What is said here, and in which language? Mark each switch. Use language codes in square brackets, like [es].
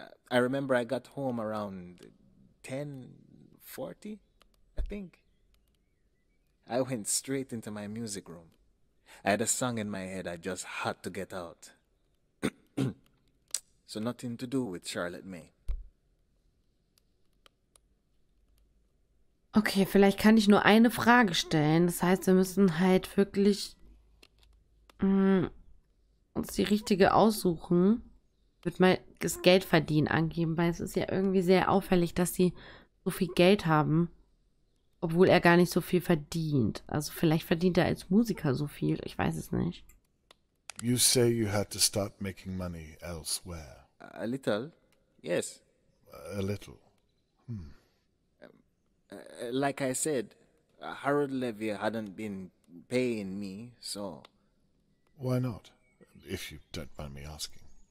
[en] I remember I got home around 10:40, I think. I went straight into my music room. I had a song in my head I just had to get out. So nothing to do with Charlotte May. [de] Okay, vielleicht kann ich nur eine Frage stellen. Das heißt, wir müssen halt wirklich uns die richtige aussuchen. Ich würde mal das Geldverdienen angeben, weil es ist ja irgendwie sehr auffällig, dass sie so viel Geld haben, obwohl er gar nicht so viel verdient. Also vielleicht verdient er als Musiker so viel, ich weiß es nicht. [en] You say you had to start making money elsewhere. A little, yes. A little, Like I said, Harold Levy hadn't been paying me, so... Why not, if you don't mind me asking?